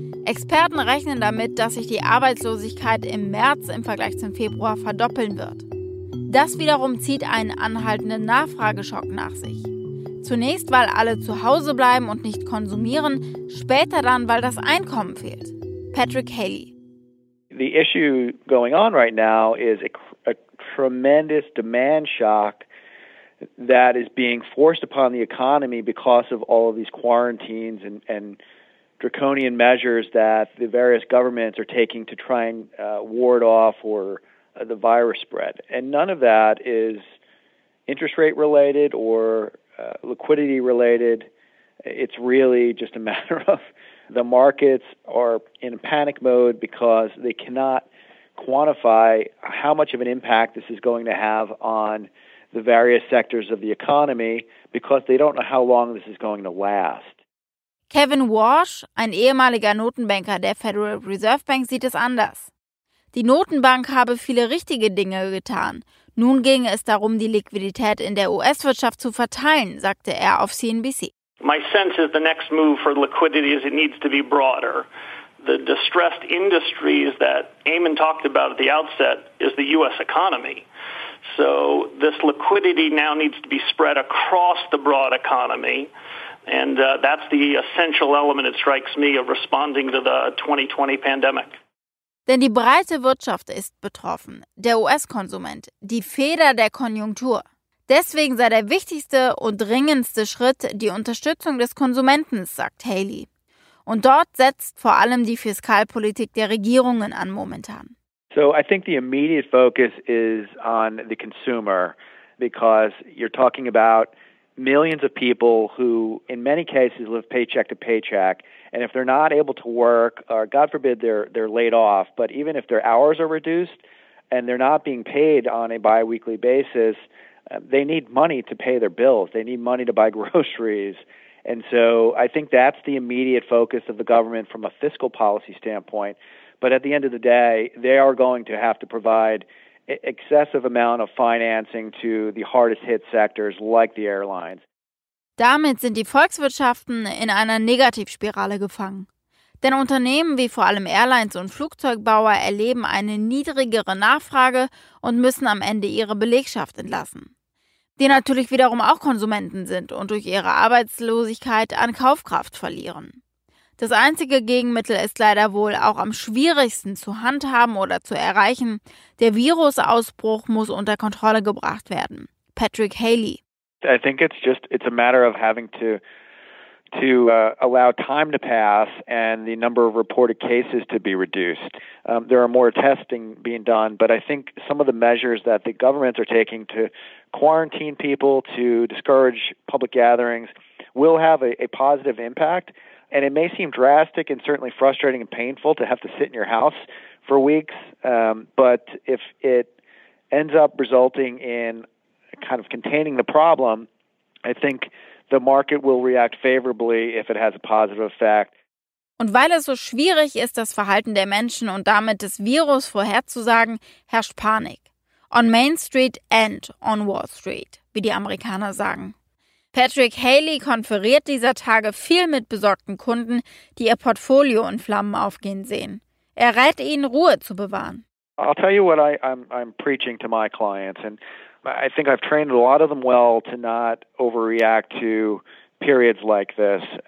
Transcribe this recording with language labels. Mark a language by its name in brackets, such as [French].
[German] Experten rechnen damit, dass sich die Arbeitslosigkeit im März im Vergleich zum Februar verdoppeln wird. Das wiederum zieht einen anhaltenden Nachfrageschock nach sich. Zunächst, weil alle zu Hause bleiben und nicht konsumieren, später dann, weil das Einkommen fehlt. Patrick Haley. [English] The issue going on right now is a tremendous demand shock that is being forced upon the economy because of all of these quarantines and draconian measures that the various governments are taking to try and ward off or the virus spread. And none of that is interest rate related or liquidity related. It's really just a matter of the markets are in a panic mode because they cannot quantify how much of an impact this is going to have on the various sectors of the economy because they don't know how long this is going to last. [German] Kevin Warsh, ein ehemaliger Notenbanker der Federal Reserve Bank, sieht es anders. Die Notenbank habe viele richtige Dinge getan. Nun ginge es darum, die Liquidität in der US-Wirtschaft zu verteilen, sagte er auf CNBC. [English] My sense is the next move for liquidity is it needs to be broader. The distressed industries that Eamon talked about at the outset is the US economy. So this liquidity now needs to be spread across the broad economy. And that's the essential element, it strikes me, of responding to the 2020 pandemic. [German] Denn die breite Wirtschaft ist betroffen, der US-Konsument, die Feder der Konjunktur. Deswegen sei der wichtigste und dringendste Schritt die Unterstützung des Konsumenten, sagt Haley. Und dort setzt vor allem die Fiskalpolitik der Regierungen an momentan. [English] So I think the immediate focus is on the consumer, because you're talking about millions of people who in many cases live paycheck to paycheck, and if they're not able to work, or God forbid they're laid off, but even if their hours are reduced and they're not being paid on a biweekly basis, they need money to pay their bills. They need money to buy groceries. And so I think that's the immediate focus of the government from a fiscal policy standpoint. But at the end of the day, they are going to have to provide excessive amount of financing to the hardest hit sectors like the airlines. [German] Damit sind die Volkswirtschaften in einer Negativspirale gefangen. Denn Unternehmen wie vor allem Airlines und Flugzeugbauer erleben eine niedrigere Nachfrage und müssen am Ende ihre Belegschaft entlassen. Die natürlich wiederum auch Konsumenten sind und durch ihre Arbeitslosigkeit an Kaufkraft verlieren. Das einzige Gegenmittel ist leider wohl auch am schwierigsten zu handhaben oder zu erreichen. Der Virusausbruch muss unter Kontrolle gebracht werden. Patrick Haley. [English] I think it's a matter of having to allow time to pass and the number of reported cases to be reduced. There are more testing being done, but I think some of the measures that the governments are taking to quarantine people, to discourage public gatherings, will have a positive impact. And it may seem drastic and certainly frustrating and painful to have to sit in your house for weeks, but if it ends up resulting in kind of containing the problem, I think the market will react favorably if it has a positive effect. [German] Und weil es so schwierig ist, das Verhalten der Menschen und damit des Virus vorherzusagen, herrscht Panik. [English] On Main Street and on Wall Street, [German] wie die Amerikaner sagen. Patrick Haley konferiert dieser Tage viel mit besorgten Kunden, die ihr Portfolio in Flammen aufgehen sehen. Er rät ihnen, Ruhe zu bewahren. [English] I'll tell you what I'm preaching to my clients, and I think I've trained a lot of them well to not overreact to periods like this.